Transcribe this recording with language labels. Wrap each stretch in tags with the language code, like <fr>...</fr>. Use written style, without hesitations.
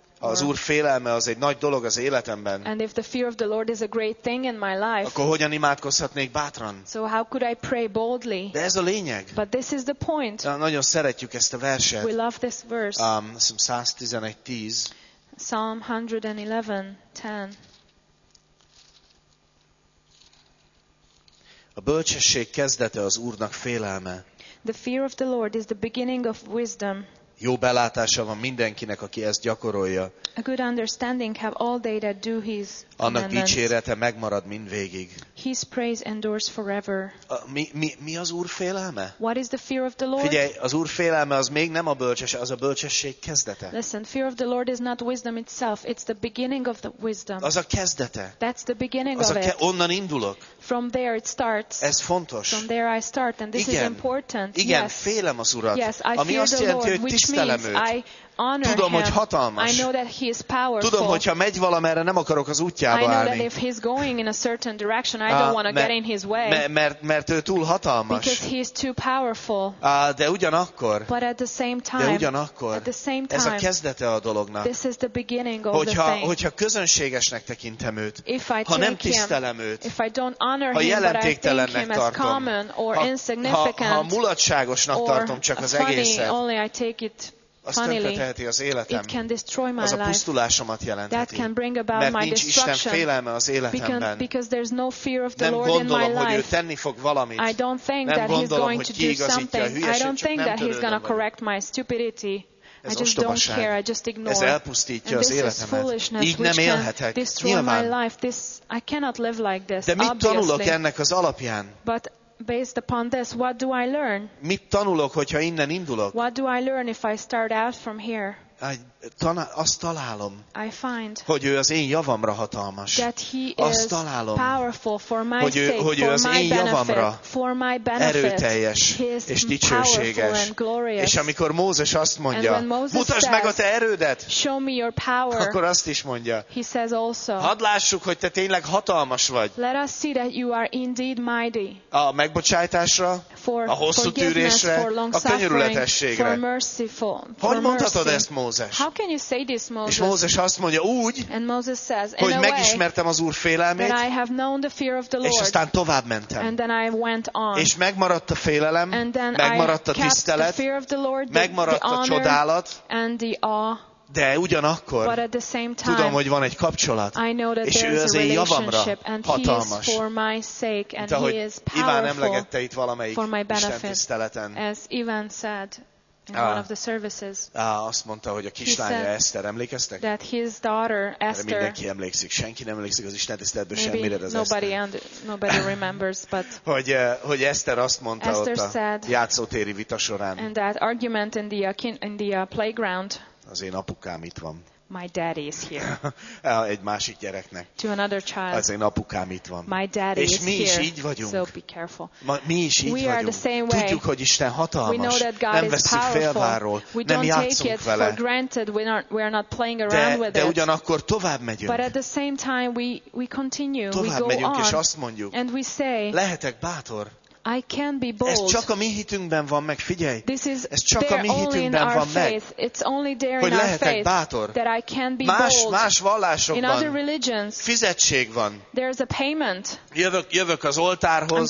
<hu>ha az Úr félelme az egy nagy dolog az életemben,</hu> <en>and if the fear of the Lord is a great thing in my life,</en> <hu>akkor hogyan imádkozhatnék bátran?</hu> <en>So how could I pray boldly?</en> <hu>De ez a lényeg.</hu> <en>But this is the point.</en> <hu>Nagyon szeretjük ezt a verset.</hu> <en>We love this verse.</en> <hu>111:10.</hu> <en>Psalm 111:10.</en> <hu>A bölcsesség kezdete az Úrnak félelme.</hu> <en>The fear of the Lord is the beginning of wisdom.</en> <hu>Jó belátása van mindenkinek, aki ezt gyakorolja.</hu> <en>A good understanding have all they that do his commandments.</en> <hu>Annak dicsérete megmarad mindvégig.</hu> <en>His praise endures forever.</en> <hu>Mi az Úr félelme?</hu> <en>What is the fear of the Lord?</en> <hu>Figyelj, az Úr félelme az még nem a bölcsesség, az a bölcsesség kezdete.</hu> <en>Listen, fear of the Lord is not wisdom itself, it's the beginning of the wisdom.</en> <hu>Az a kezdete.</hu> <en>That's the beginning</en> <hu>az</hu> <en>of it.</en> <hu>Onnan indulok.</hu> <en>From there it starts.</en> <hu>Ez fontos.</hu> <en>From there I start and this</en> <hu>igen.</hu> <en>Is important.</en> <hu>Igen,</hu> <en>yes.</en> <hu>Félem az Urat.</hu> <en>Yes, I</en> <hu>ami</hu> <en>fear</en> <hu>azt jelenti,</hu> <en>the Lord, which means</en> <hu>őt.</hu> <en>I</en> <hu>honor tudom, hogy hatalmas.</hu> <en>I know that he is powerful.</en> <hu>Tudom, hogyha megy valamerre, nem akarok az útjába állni.</hu> <en>If he's going in a certain direction, I don't want to get in his way.</en> <hu>Mert ő túl hatalmas.</hu> <en>Because he is too powerful.</en> <hu>De ugyanakkor.</hu> <en>But at the same time.</en> <hu>De ugyanakkor.</hu> <en>At the same time.</en> <hu>Ez a kezdete a dolognak.</hu> <en>This is the beginning of</en> <hu>hogyha,</hu> <en>the thing.</en> <hu>Hogyha közönségesnek tekintem őt,</hu> <en>if I</en> <hu>ha nem tisztelem őt,</hu> <en>if I don't honor</en> <hu>ha</hu> <en>him,</en> <hu>jelentéktelennek</hu> <en>but I think</en> <hu>tartom,</hu> <en>him as common or insignificant,</en> <hu>ha mulatságosnak tartom csak az egészet,</hu> <en>only I take it</en> <hu>az tönkreteheti az életem, az a pusztulásomat jelentheti, mert nincs Isten félelme az életemben. Nem gondolom, hogy ő tenni fog valamit.</hu> <en>I don't think</en> <hu>nem gondolom,</hu> <en>going</en> <hu>hogy kiigazítja a hülyeséget,</hu> <en>I don't think</en> <hu>csak</hu> <en>that he's gonna correct my stupidity.</en> <hu>Ez</hu> <en>ostobaság. I just ignore.</en> <hu>Ez elpusztítja az életemet. Így nem élhetek. Nyilván.</hu> <en>This, I cannot live like this,</en> <hu>de mit</hu> <en>obviously.</en> <hu>Tanulok ennek az alapján?</hu> <en>But based upon this, what do I learn?</en> <hu>Mit tanulok, hogyha innen indulok?</hu> <en>What do I learn if I start out from here?</en> <hu>Azt találom,</hu> <en>I find,</en> <hu>hogy ő az én javamra hatalmas.</hu> <en>That he</en> <hu>azt</hu> <en>is</en> <hu>találom,</hu> <en>powerful for my</en> <hu>hogy ő,</hu> <en>sake,</en> <hu>hogy</hu> <en>for</en> <hu>az</hu> <en>my</en> <hu>én javamra</hu> <en>benefit, for my benefit.</en> <hu>Erőteljes és dicsőséges. És amikor Mózes azt mondja, mutasd meg a te erődet,</hu> <en>show me your power,</en> <hu>akkor azt is mondja,</hu> <en>he says also,</en> <hu>hadd lássuk, hogy te tényleg hatalmas vagy.</hu> <en>Let us see that you are indeed mighty.</en> <hu>A megbocsájtásra,</hu> <en>for</en> <hu>a hosszú tűrésre, a könyörületességre.</hu> <en>For merciful, for</en> <hu>hogy mondhatod</hu> <en>mercy.</en> <hu>Ezt, Mózes?</hu> <en>How can you say this, Moses?</en> <hu>És Mózes azt mondja úgy,</hu> <en>and Moses says, in</en> <hu>hogy megismertem az Úr félelmét,</hu> <en>that I have known the fear of the Lord,</en> <hu>és aztán tovább mentem.</hu> <en>And then I went on.</en> <hu>És megmaradt a félelem,</hu> <en>and then</en> <hu>megmaradt</hu> <en>I</en> <hu>a tisztelet,</hu> <en>kept the fear of the Lord,</en> <hu>megmaradt</hu> <en>the honor,</en> <hu>a csodálat,</hu> <en>and the awe.</en> <hu>De ugyanakkor</hu> <en>but at the same time,</en> <hu>tudom, hogy van egy kapcsolat,</hu> <en>I know that</en> <hu>és ő az én javamra hatalmas.</hu> <en>For my sake, and</en> <hu>mint ahogy</hu> <en>he is powerful</en> <hu>Iván emlegette itt valamelyik Isten tiszteleten.</hu> <en>As Iván said, in one of the services.</en> <hu>Azt mondta, hogy a kislánya Eszter, emlékeztek?</hu> <en>That his daughter Esther.</en> <hu>Mindenki emlékszik, senki nem emlékszik az Isten tiszteletben semmire, de az</hu> <en>nobody Eszter. Nobody remembers, but</en> <hu>hogy Eszter azt mondta</hu> <en>Esther</en> <hu>ott</hu> <en>said,</en> <hu>a játszótéri vita során.</hu> <en>And that argument in the playground.</en> <hu>Az én apukám itt van.</hu> <en>My daddy is here.</en> <hu>Egy másik gyereknek.</hu> <en>To another child.</en> <hu>Az én apukám itt van.</hu> <en>My daddy</en> <hu>és mi is</hu> <en>here.</en> <hu>Így vagyunk.</hu> <en>So be careful.</en> <hu>Mi is így</hu> <en>we</en> <hu>vagyunk.</hu> <en>Are the same way.</en> <hu>Tudjuk, hogy Isten hatalmas.</hu> <en>We know that God</en> <hu>nem veszük félváról.</hu> <en>We</en> <hu>nem játszunk vele.</hu> <en>For granted. We are not playing around with</en> <hu>it. De ugyanakkor tovább megyünk.</hu> <en>But at the same time we continue.</en> <hu>Tovább</hu> <en>we go</en> <hu>megyünk,</hu> <en>on.</en> <hu>És azt mondjuk.</hu> <en>And we say,</en> <hu>lehetek bátor.</hu> <en>I can be bold.</en> <hu>Ez csak a mi hitünkben van meg, figyelj.</hu> <en>This is</en> <hu>ez csak a mi hitünkben van meg.</hu> <en>It's only there</en> <hu>hogy</hu> <en>in our</en> <hu>lehetek</hu> <en>faith</en> <hu>bátor.</hu> <en>That I can be</en> <hu>más,</hu> <en>bold.</en> <hu>Más vallásokban.</hu> <en>In other religions,</en> <hu>fizetség van.</hu> <en>There's a payment.</en> <hu>Jövök az oltárhoz.</hu>